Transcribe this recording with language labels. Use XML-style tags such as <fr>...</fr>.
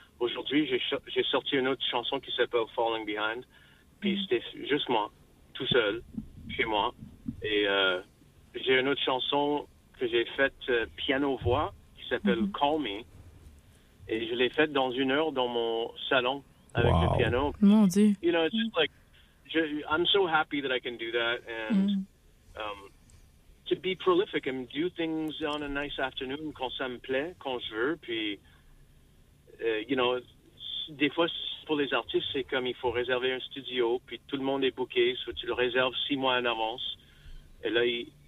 <fr>Aujourd'hui, j'ai sorti une autre chanson qui s'appelle Falling Behind. Puis c'était juste moi, tout seul, chez moi. Et j'ai une autre chanson que j'ai faite piano-voix qui s'appelle Call Me. Et je l'ai faite dans une heure dans mon salon avec le piano. Mon Dieu.</fr> <en>You know, it's just like, I'm so happy that I can do that. And, to be prolific and do things on a nice afternoon</en> <fr>quand ça me plaît, quand je veux, puis,</fr> <en>you know,</en> <fr>des fois, pour les artistes, c'est comme il faut réserver un studio, puis tout le monde est booké, soit tu le réserves 6 mois en avance, et là, il</fr>